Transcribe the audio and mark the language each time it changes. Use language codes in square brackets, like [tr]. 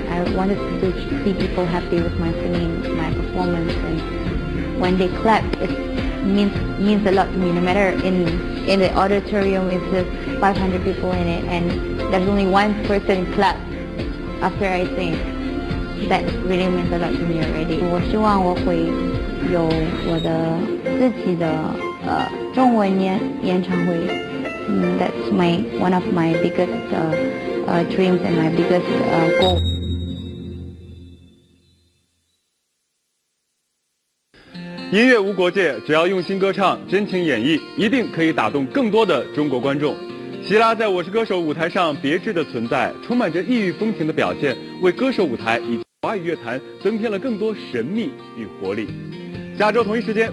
[en] I wanted to see people happy with my singing, my performance, and when they clap, it means a lot to me. No matter in the auditorium is just 500 people in it, and there's only one person clap after I sing. That really means a lot to me already. [zh] 我希望我会有我的自己的中文演唱会。 [en] That's one of my biggest dreams and my biggest goal. [zh] 音乐无国界，只要用心歌唱，真情演绎，一定可以打动更多的中国观众。希拉在《我是歌手》舞台上别致的存在，充满着异域风情的表现，为歌手舞台以及华语乐坛增添了更多神秘与活力。下周同一时间。